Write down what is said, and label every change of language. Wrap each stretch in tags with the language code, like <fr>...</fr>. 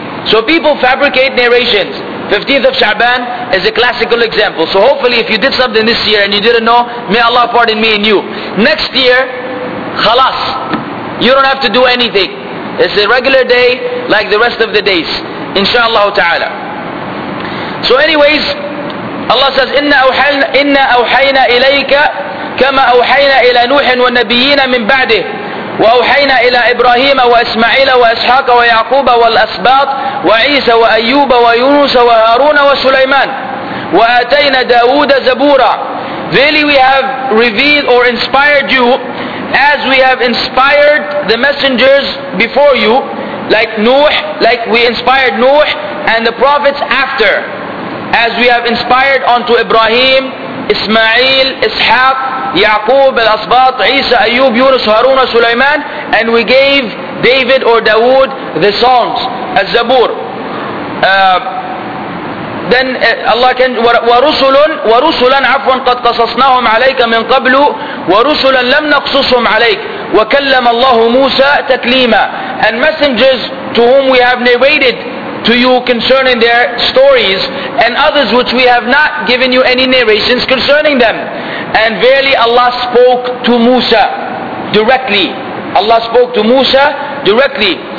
<en>So people fabricate narrations. 15th of Sha'ban is a classical example. So hopefully if you did something this year and you didn't know, may Allah pardon me and you. Next year, khalas. You don't have to do anything. It's a regular day like the rest of the days. Inshallah ta'ala. So anyways, Allah says,</en> <ar>إِنَّا أَوْحَيْنَا إِلَيْكَ كَمَا أَوْحَيْنَا إِلَى نُوحٍ وَالنَّبِيِّينَ مِنْ بَعْدِهِ وَأَوْحَيْنَا إِلَى إِبْرَاهِيمَ وَإِسْمَعِيلَ وَإِسْحَاقَ وَيَعْقُوبَ وَالْأَسْبَاطِ وَعِيسَى وَأَيُّوبَ وَيُونُسَ وَهَارُونَ وَسُلَيْمَانَ وَآتَيْنَا دَاوُودَ زَبُورًا. Verily we have revealed or inspired you as we have inspired the messengers before you, like Nuh, like we inspired Nuh and the prophets after, as we have inspired unto Ibrahim, Ismail, Ishaq, Yaqub, Al-Asbat, Isa, Ayyub, Yunus, Harun, Sulaiman, and we gave David or Dawood the songs, Al-Zabur.</ar> <en>Then Allah can,</en> <ar>وَرُسُلًا عَفْوًا قَدْ قَصَصْنَاهُمْ عَلَيْكَ مِنْ قَبْلُ وَرُسُلًا لَمْ نَقْصُصُهُمْ عَلَيْكَ وَكَلَّمَ اللَّهُ مُوسَى تَكْلِيمًا.</ar> <en>And messengers to whom we have narrated to you concerning their stories, and others which we have not given you any narrations concerning them. And verily Allah spoke to Musa directly. Allah spoke to Musa directly.</en>